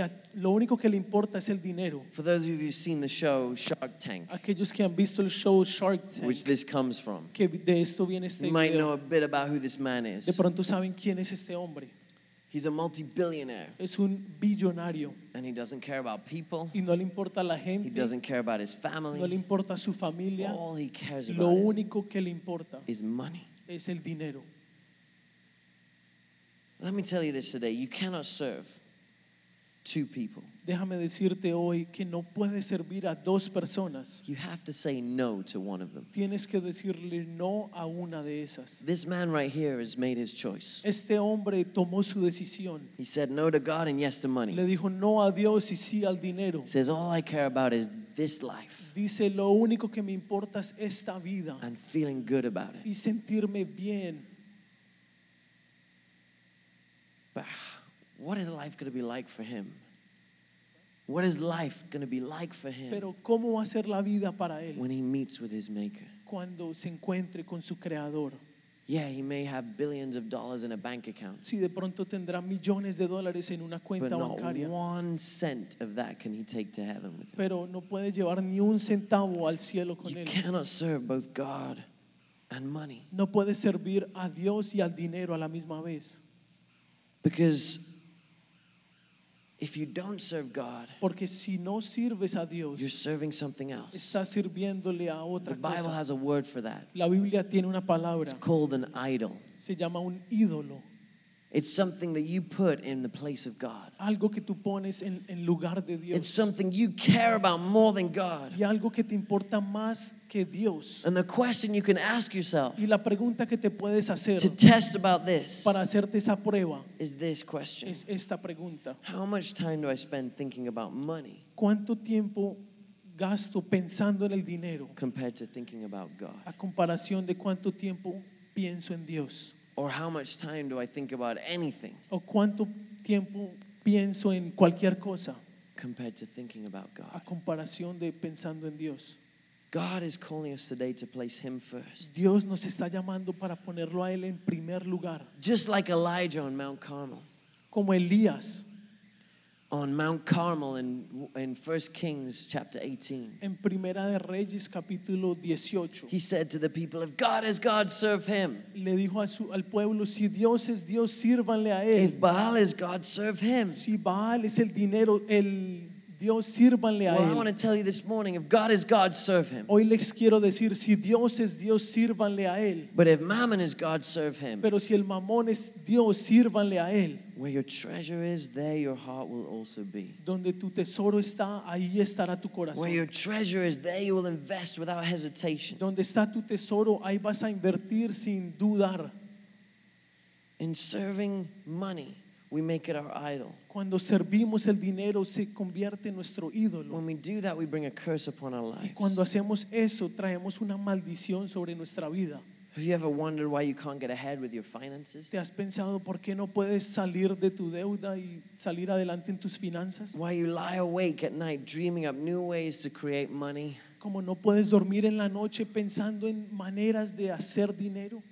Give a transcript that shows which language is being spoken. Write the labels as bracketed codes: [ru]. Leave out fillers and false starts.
[es] Y lo único que le importa es el dinero. [en] For those of you who have seen the show Shark Tank, [es] aquellos que han visto el show Shark Tank, [en] which this comes from, [es] que de esto viene este [en] you might know a bit about who this man is. [es] De pronto saben quién es este hombre. [en] He's a multi-billionaire. [es] Es un billonario. [en] And he doesn't care about people. [es] Y no le importa la gente. [en] He doesn't care about his family. [es] No le importa su familia. [en] All he cares about [es] lo único que le importa [en] is money. [es] Es el dinero. [en] Let me tell you this today. You cannot serve two people. [es] Déjame decirte hoy que no puedes servir a dos personas. [en] You have to say no to one of them. [es] Tienes que decirle no a una de esas. [en] This man right here has made his choice. [es] Este hombre tomó su decisión. [en] He said no to God and yes to money. [es] Le dijo no a Dios y sí al dinero. [en] Says all I care about is this life. [es] Dice lo único que me importa es esta vida. [en] And feeling good about it. [es] Y sentirme bien. [en] But what is life going to be like for him? What is life going to be like for him? [es] Pero cómo va a ser la vida para él? [en] When he meets with his maker. [es] Cuando se encuentre con su creador. [en] Yeah, he may have billions of dollars in a bank account. [es] Sí, de pronto tendrá millones de dólares en una cuenta bancaria. [en] But not one cent of that can he take to heaven with him. [es] Pero no puede llevar ni un centavo al cielo con [en] you [es] él. [en] You cannot serve both God and money. [es] No puede servir a Dios y al dinero a la misma vez. [en] Because if you don't serve God, [es] porque si no sirves a Dios, [en] you're serving something else. [es] Estás sirviéndole a otra [en] cosa. The Bible [es] cosa. [en] Has a word for that. [es] La Biblia tiene una palabra. [en] It's called an idol. [es] Se llama un ídolo. [en] It's something that you put in the place of God. [es] Algo que tú pones en lugar de Dios. [en] It's something you care about more than God. [es] Y algo que te importa más que Dios. [en] And the question you can ask yourself, [es] y la pregunta que te puedes hacer, [en] to test about this, [es] para hacerte esa prueba, [en] is this question. [es] Es esta pregunta. [en] How much time do I spend thinking about money? [es] ¿Cuánto tiempo gasto pensando en el dinero? [en] Compared to thinking about God. [es] A comparación de cuánto tiempo pienso en Dios. [en] Or how much time do I think about anything? [es] O cuánto tiempo pienso en cualquier cosa. [en] Compared to thinking about God. [es] A comparación de pensando en Dios. [en] God is calling us today to place Him first. [es] Dios nos está llamando para ponerlo a Él en primer lugar. [en] Just like Elijah on Mount Carmel. [es] Como Elías. [en] On Mount Carmel in 1 Kings chapter 18. [es] En Primera de Reyes capítulo 18. [en] He said to the people, "If God is God, serve Him." [es] Le dijo al pueblo, si Dios es Dios, sírvanle a él. [en] If Baal is God, serve Him. [es] Si Baal es el dinero, el Dios, sírvanle a él. [en] Well, I want to tell you this morning, if God is God, serve Him. [es] Hoy les quiero decir, si Dios es Dios, sírvanle a él. [en] But if Mammon is God, serve Him. [es] Pero si el mamón es Dios, sírvanle a él. [en] Where your treasure is, there your heart will also be. [es] Donde tu tesoro está, ahí estará tu corazón. [en] Where your treasure is, there you will invest without hesitation. [es] Donde está tu tesoro, ahí vas a invertir sin dudar. [en] In serving money, we make it our idol. [es] Cuando servimos el dinero, se convierte en nuestro ídolo. [en] When we do that, we bring a curse upon our lives. [es] Y cuando hacemos eso, traemos una maldición sobre nuestra vida. [en] Have you ever wondered why you can't get ahead with your finances? [es] ¿Te has pensado por qué no puedes salir de tu deuda y salir adelante en tus finanzas? [en] Why you lie awake at night dreaming up new ways to create money? [es] ¿Cómo no puedes dormir en la noche pensando en maneras de hacer dinero?